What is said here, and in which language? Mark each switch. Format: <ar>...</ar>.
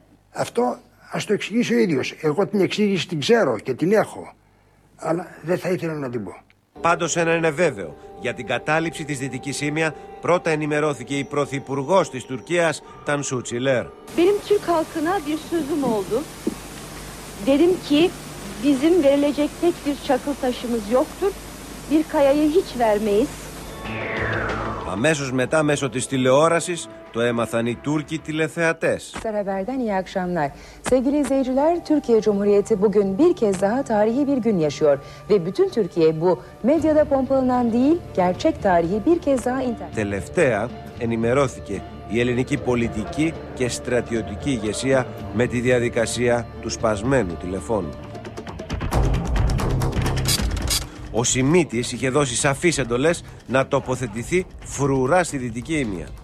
<el>Αυτό ας το εξηγήσει ο ίδιος. Εγώ την εξήγηση την ξέρω και την έχω, αλλά δεν θα ήθελα να την πω. Πάντως ένα είναι βέβαιο. Για την κατάληψη της Δυτικής Ίμια, πρώτα ενημερώθηκε η Πρωθυπουργός της Τουρκίας, Τανσού Τσιλέρ.</el> <tr>Benim Türk halkına bir sözüm oldu. Dedim ki, bizim verilecek tek bir çakıl taşımız yoktur. Bir kayayı hiç vermeyiz.</tr> <el>Αμέσως μετά, μέσω της τηλεόρασης, το έμαθαν οι Τούρκοι τηλεθεατές.</el> <tr>Σεραβέρδεν, iyi akşamlar. Sevgili izleyiciler, Türkiye Cumhuriyeti bugün bir kez daha tarihi bir gün yaşıyor. Ve bütün Türkiye bu medyada pompalanan değil, gerçek tarihi bir kez daha internet.</tr> <el>Τελευταία ενημερώθηκε η ελληνική πολιτική και στρατιωτική ηγεσία με τη διαδικασία του σπασμένου τηλεφώνου. Ο Σιμίτης είχε δώσει σαφείς εντολές να τοποθετηθεί φρουρά στη Δυτική Ίμια.</el>